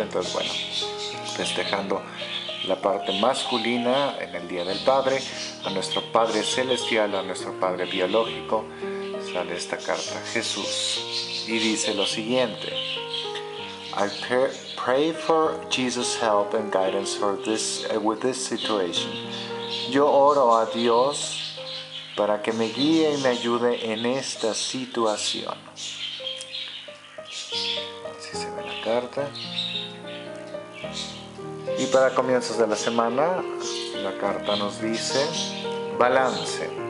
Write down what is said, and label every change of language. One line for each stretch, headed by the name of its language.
Spanish: Entonces, bueno, festejando la parte masculina en el Día del Padre, a nuestro Padre Celestial, a nuestro Padre Biológico, sale esta carta, Jesús, y dice lo siguiente.
English: I pray for Jesus' help and guidance for this, with this situation.
Spanish: Yo oro a Dios para que me guíe y me ayude en esta situación. Así se ve la carta. Y para comienzos de la semana, la carta nos dice balance.